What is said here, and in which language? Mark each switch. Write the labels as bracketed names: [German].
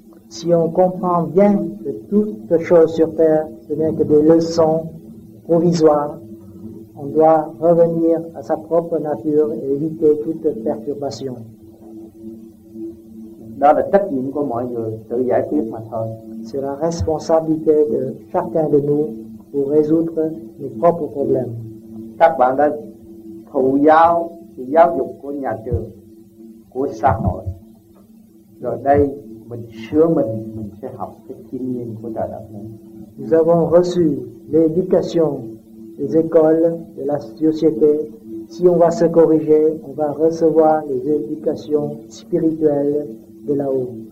[French] Si on comprend bien que toutes choses sur terre ce n'est que des leçons provisoires, on doit revenir à sa propre nature et éviter toute perturbation. [Vietnamese] Đó là trách nhiệm của mọi người tự giải quyết mà thôi. [French] C'est la responsabilité de chacun de nous pour résoudre nos propres problèmes. [Vietnamese] Các bạn đã thụ giáo dục của nhà trường, của xã hội. Rồi đây mình sửa mình sẽ học cái kinh nghiệm của trời đất này. [French] Nous avons reçu l'éducation des écoles, de la société. Si on va se corriger, on va recevoir les éducations spirituelles de là-haut.